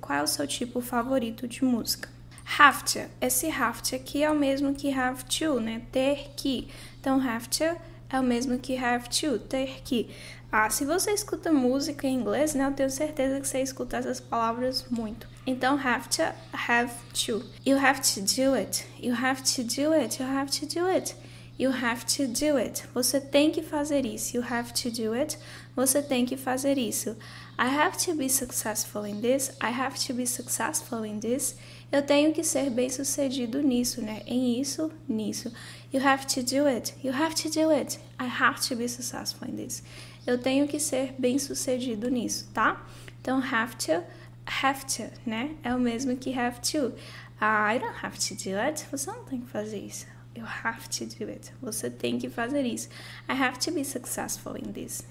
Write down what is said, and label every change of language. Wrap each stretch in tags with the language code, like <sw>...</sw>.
<pt>Qual é o seu tipo favorito de música?</pt> <en>Have to.</en> <pt>Esse have to aqui é o mesmo que have to, né? Ter que. Então have to é o mesmo que have to, ter que. Ah, se você escuta música em inglês, né, eu tenho certeza que você escuta essas palavras muito.</pt> <en>Então, have to, you have to do it, you have to do it, you have to do it, you have to do it.</en> <pt>Você tem que fazer isso,</pt> <en>you have to do it,</en> <pt>você tem que fazer isso.</pt> <en>I have to be successful in this, I have to be successful in this.</en> <pt>Eu tenho que ser bem-sucedido nisso, né? Em isso, nisso.</pt> <en>You have to do it, you have to do it, I have to be successful in this.</en> <pt>Eu tenho que ser bem-sucedido nisso, tá? Então, have to, né? É o mesmo que have to.</pt> <en>I don't have to do it.</en> <pt>Você não tem que fazer isso.</pt> <en>You have to do it.</en> <pt>Você tem que fazer isso.</pt> <en>I have to be successful in this.</en>